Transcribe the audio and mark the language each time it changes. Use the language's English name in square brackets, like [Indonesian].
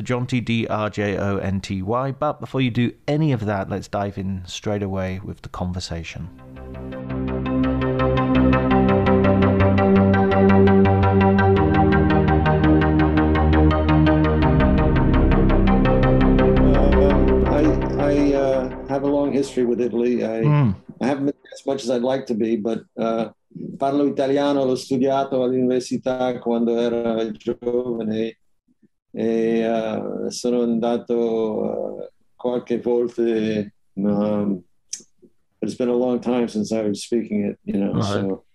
[English] Jonty, DrJonty. But before you do any of that, let's dive in straight away with the conversation. I have a long history with Italy. I haven't been as much as I'd like to be, but [Italian] parlo italiano, l'ho studiato all'università quando ero giovane e sono andato qualche volte. [English] But it's been a long time since I was speaking it, you know.